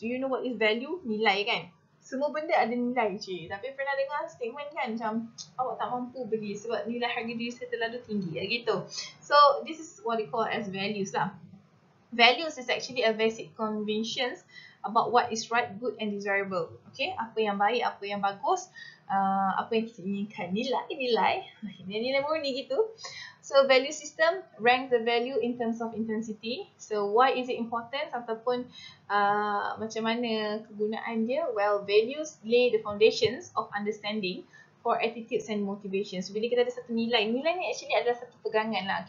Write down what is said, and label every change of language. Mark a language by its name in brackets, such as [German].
[English] Do you know what is value? [Malay] Nilai kan? Semua benda ada nilai je. Tapi pernah dengar statement kan macam awak tak mampu beli sebab nilai harga diri saya terlalu tinggi lah gitu. [English] So, this is what we call as values lah. Values is actually a basic convention about what is right, good and desirable. [Malay] Okay, apa yang baik, apa yang bagus, apa yang kita inginkan, nilai murni gitu. [English] So value system rank the value in terms of intensity. So why is it important [Malay] ataupun macam mana kegunaan dia? [English] Well, values lay the foundations of understanding for attitudes and motivations. So, [Malay] bila kita ada satu nilai, nilai ni actually adalah satu pegangan lah.